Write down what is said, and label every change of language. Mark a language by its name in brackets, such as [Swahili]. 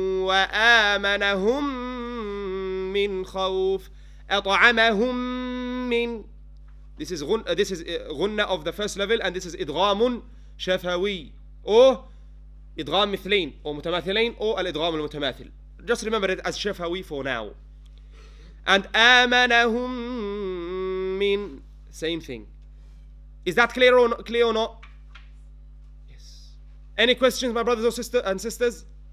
[Arabic] وآمنهم من خوف أطعمهم من [English] This is غنة of the first level and this is إدغام شفوي or [Arabic] إدغام مثلين أو متماثلين أو الإدغام المتماثل. [English] Just remember it as شفوي for now. And [Arabic] آمنهم من [English] same thing. Is that clear or not? Clear or not? Yes. Any questions, my brothers or sister and sisters?